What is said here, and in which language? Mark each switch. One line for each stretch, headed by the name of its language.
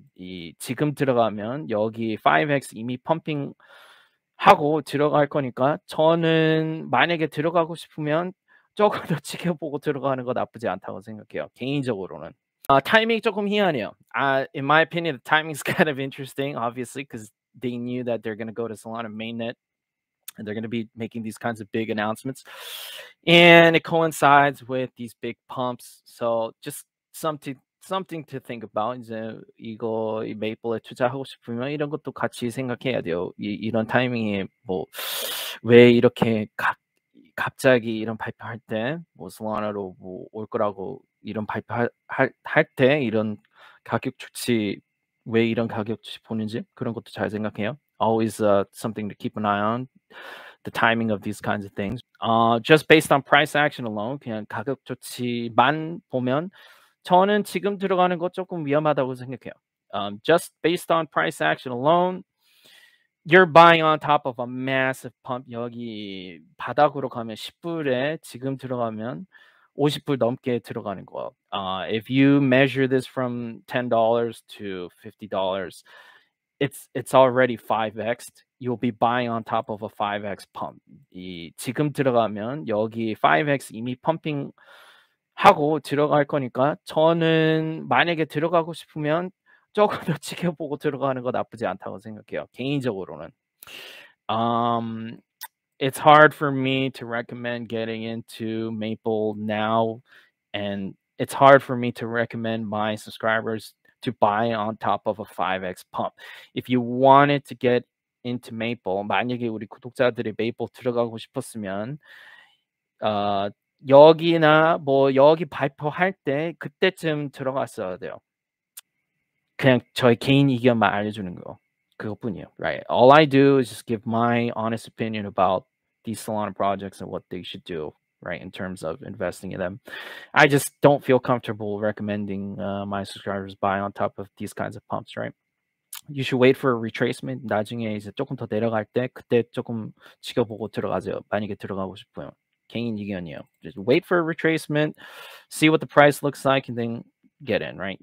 Korean: 이 지금 들어가면 여기 5x 이미 pumping 하고 들어갈 거니까 저는 만약에 들어가고 싶으면 조금 더 지켜보고 들어가는 거 나쁘지 않다고 생각해요. 개인적으로는. 타이밍이 조금 희한해요.
English: In my opinion, the timing's kind of interesting, obviously, because they knew that they're going to go to Solana mainnet, and they're going to be making these kinds of big announcements. And it coincides with these big pumps. So just something to think about.
Korean: 이제 이거 이 메이플에 투자하고 싶으면 이런 것도 같이 생각해야 돼요. 이런 타이밍에 뭐 왜 이렇게 갑자기 이런 발표할 때 뭐 Solana로 뭐 올 거라고 이런 발표할 때 이런 가격 조치 왜 이런 가격 조치 보는지 그런 것도 잘 생각해요.
English: Always something to keep an eye on, the timing of these kinds of things. Just based on price action alone,
Korean: 그냥 가격 조치만 보면 저는 지금 들어가는 거 조금 위험하다고 생각해요.
English: Just based on price action alone, you're buying on top of a massive pump.
Korean: 여기 바닥으로 가면 10불에 지금 들어가면 50불 넘게 들어가는 거.
English: If you measure this from $10 to $50, it's already 5x. You'll be buying on top of a 5x pump.
Korean: 이 지금 들어가면 여기 5x 이미 pumping 하고 들어갈 거니까 저는 만약에 들어가고 싶으면 조금 더 지켜보고 들어가는 거 나쁘지 않다고 생각해요. 개인적으로는.
English: It's hard for me to recommend getting into Maple now, and it's hard for me to recommend my subscribers to buy on top of a 5x pump. If you wanted to get into Maple,
Korean: 만약에 우리 구독자들이 Maple 들어가고 싶었으면 여기나 뭐 여기 발표할 때 그때쯤 들어갔어야 돼요. 그냥 저의 개인 의견만 알려주는 거 그것뿐이에요.
English: Right. All I do is just give my honest opinion about these Solana projects and what they should do, right, in terms of investing in them. I just don't feel comfortable recommending my subscribers buy on top of these kinds of pumps, right? You should wait for a retracement.
Korean: 나중에 이제 조금 더 내려갈 때 그때 조금 지켜보고 들어가세요. 만약에 들어가고 싶으면. 개인 의견이에요.
English: Just wait for a retracement, see what the price looks like, and then get in, right?